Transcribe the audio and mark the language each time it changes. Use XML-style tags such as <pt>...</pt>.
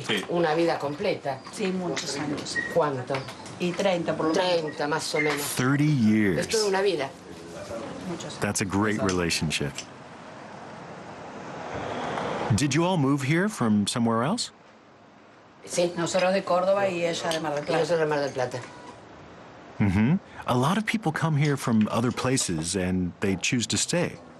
<es>Una vida completa. Sí, muchos años. ¿Cuánto? Y 30, por lo menos. Más o menos.</es> <en>30 years.</en> <es>Es toda una vida.</es> <en>That's a great relationship. Did you all move here from somewhere else?</en> <es>Sí, nosotros de Córdoba y ella de Mar del Plata. Nosotros de Mar del Plata. Mm-hmm.</es> <en>A lot of people come here from other places and they choose to stay.</en>